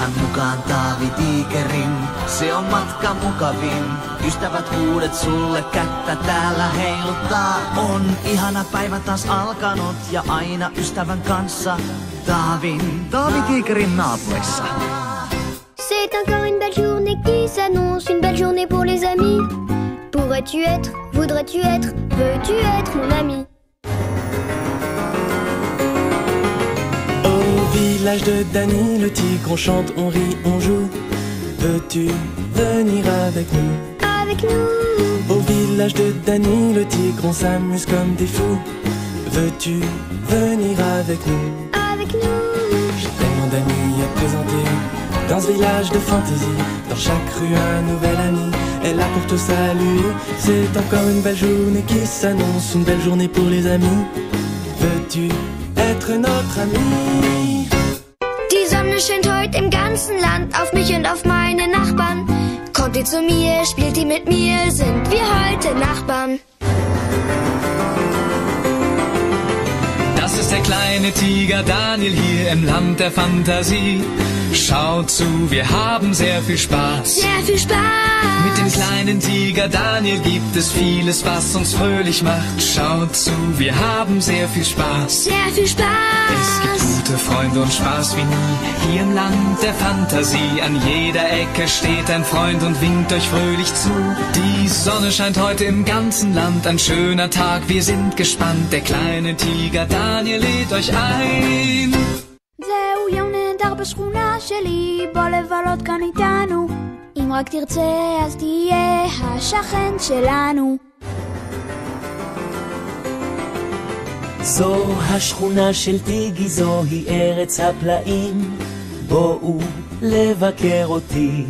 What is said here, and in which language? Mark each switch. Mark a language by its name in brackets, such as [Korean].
[Finnish] hän mukaan Taavi-tiikerin. Se on matka mukavin, ystävät uudet sulle kättä täällä heiluttaa. On ihana päivä taas alkanut ja aina ystävän kanssa Taavin. Taavi-tiikerin naapurissa. [French] C'est un câlin belgeuni qui s'annonce, une belle journée pour les amis. Pourrais-tu être, voudrais-tu être, veux-tu être mon ami? Au village de Dany, le tigre, on chante, on rit, on joue. Veux-tu venir avec nous? Avec nous. Au village de Dany, le tigre, on s'amuse comme des fous. Veux-tu venir avec nous? Avec nous. J'ai tellement d'amis à présenter. Dans ce village de fantaisie, dans chaque rue un nouvel ami est là pour te saluer. C'est encore une belle journée qui s'annonce, une belle journée pour les amis. Veux-tu être notre ami? [German] Die Sonne scheint heute im ganzen Land auf mich und auf meine Nachbarn. Kommt ihr zu mir, spielt ihr mit mir, sind wir heute Nachbarn. Das ist der kleine Tiger Daniel hier im Land der Fantasie. Schau zu, wir haben sehr viel Spaß. Sehr viel Spaß. Mit dem kleinen Tiger Daniel gibt es vieles, was uns fröhlich macht. Schau zu, wir haben sehr viel Spaß. Sehr viel Spaß. Es gibt gute Freunde und Spaß wie nie hier im Land der Fantasie. An jeder Ecke steht ein Freund und winkt euch fröhlich zu. Die Sonne scheint heute im ganzen Land, ein schöner Tag, wir sind gespannt. Der kleine Tiger Daniel lädt euch ein. [Hebrew] זהו יום נהדר בשכונה שלי, בוא לבלות כאן איתנו. אם רק תרצה אז תהיה השכן שלנו. זו השכונה של טיגי, זוהי ארץ הפלאים, בואו לבקר אותי.